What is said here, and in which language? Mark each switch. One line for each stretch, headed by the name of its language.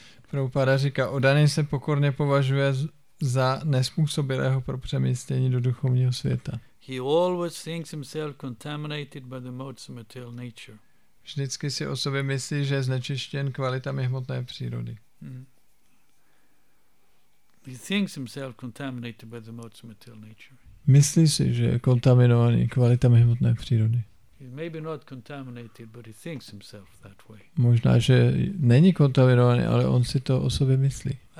Czech: Prabhupada říká, oddaný se pokorně považuje za nespůsobilého pro přemístění do duchovního světa.
English: He always thinks himself contaminated by the modes of material nature.
Czech: Vždycky si o sobě myslí, že je znečištěn kvalitami hmotné přírody.
English: He thinks himself contaminated by the modes of material nature.
Czech: Myslí si, že je kontaminovaný kvalitami hmotné přírody.
English: Maybe not contaminated, but he thinks himself that way.
Czech: Možná, že není kontaminovaný, ale on si to o sobě myslí.